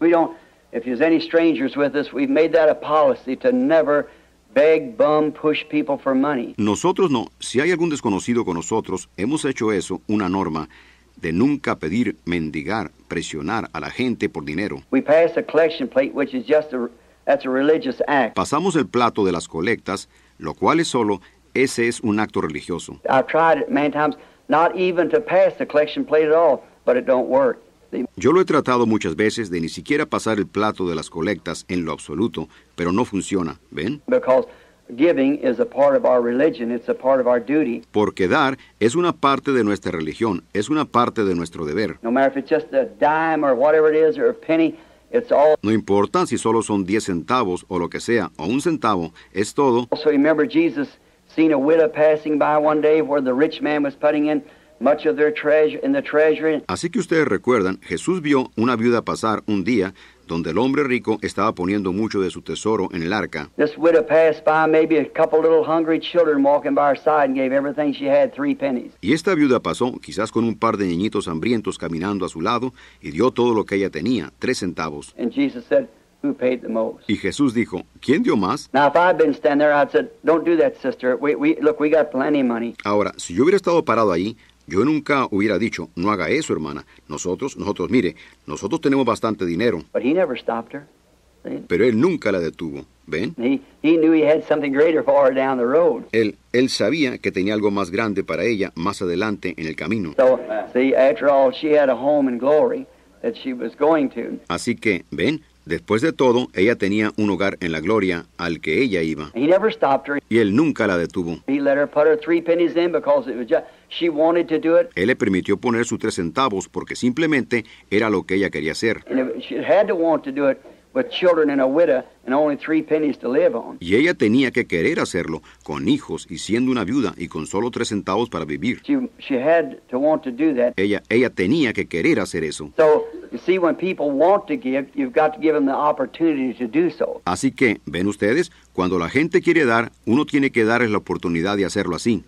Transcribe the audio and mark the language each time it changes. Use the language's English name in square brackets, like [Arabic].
[English] We don't. If there's any strangers with us, we've made that a policy to never beg, bum, push people for money. [Spanish] Nosotros no. Si hay algún desconocido con nosotros, hemos hecho eso, una norma, de nunca pedir, mendigar, presionar a la gente por dinero. [English] We pass a collection plate, which is just that's a religious act. [Spanish] Pasamos el plato de las colectas, lo cual es solo, ese es un acto religioso. [English] I've tried it many times, not even to pass the collection plate at all, but it don't work. [Spanish] Yo lo he tratado muchas veces de ni siquiera pasar el plato de las colectas en lo absoluto, pero no funciona, ¿ven? [English] Because giving is a part of our religion, it's a part of our duty. [Spanish] Porque dar es una parte de nuestra religión, es una parte de nuestro deber. [English] No matter if it's just a dime or whatever it is or a penny, it's all. [Spanish] No importa si solo son 10 centavos o lo que sea, o un centavo, es todo. [English] Also remember Jesus seen a widow passing by one day where the rich man was putting in much of their treasure in the treasury. [Spanish] Así que ustedes recuerdan, Jesús vio una viuda pasar un día donde el hombre rico estaba poniendo mucho de su tesoro en el arca. [English] This widow passed by, maybe a couple little hungry children walking by her side, and gave everything she had, 3 pennies. [Spanish] Y esta viuda pasó, quizás con un par de niñitos hambrientos caminando a su lado, y dio todo lo que ella tenía, 3 centavos. [English] And Jesus said, who paid the most? [Spanish] Y Jesús dijo, ¿quién dio más? [English] Now, if I'd been standing there, I'd said, don't do that, sister. We got plenty of money. [Spanish] Ahora, si yo hubiera estado parado ahí, yo nunca hubiera dicho, no haga eso, hermana. Nosotros, mire, nosotros tenemos bastante dinero. [English] But he never stopped her. [Spanish] Pero él nunca la detuvo, ¿ven? [English] He knew he had something greater for her down the road. [Spanish] Él sabía que tenía algo más grande para ella más adelante en el camino. [English] So, see, after all, she had a home in glory that she was going to. [Spanish] Así que, ¿ven? Después de todo, ella tenía un hogar en la gloria al que ella iba. [English] He never stopped her. [Spanish] Y él nunca la detuvo. [English] He let her put her 3 pennies in because it was just, she wanted to do it. [Spanish] Él le permitió poner sus 3 centavos porque simplemente era lo que ella quería hacer. [English] And she had to want to do it with children and a widow and only 3 pennies to live on. [Spanish] Y ella tenía que querer hacerlo con hijos y siendo una viuda y con solo 3 centavos para vivir. [English] She had to want to do that. [Spanish] Ella tenía que querer hacer eso. [English] So, you see, when people want to give, you've got to give them the opportunity to do so. [Spanish] Así que, ven ustedes, cuando la gente quiere dar, uno tiene que darles la oportunidad de hacerlo así.